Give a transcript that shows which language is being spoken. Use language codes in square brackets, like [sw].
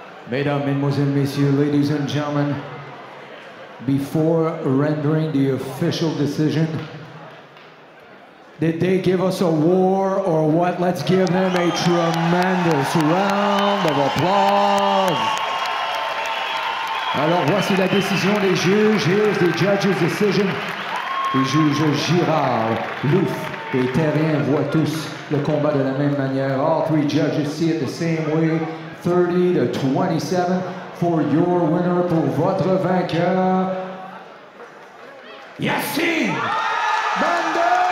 [fr] Mesdames, Mesdemoiselles, Messieurs, [en] ladies and gentlemen, before rendering the official decision, did they give us a war or what? Let's give them a tremendous round of applause. [fr] Alors voici la décision des juges. [en] Here's the judge's decision. [fr] Les juges Girard, Louf et Terrien voient tous le combat de la même manière. [en] All three judges see it the same way. 30-27 for your winner, [fr] pour votre vainqueur, [en] Yacine Bandaoui.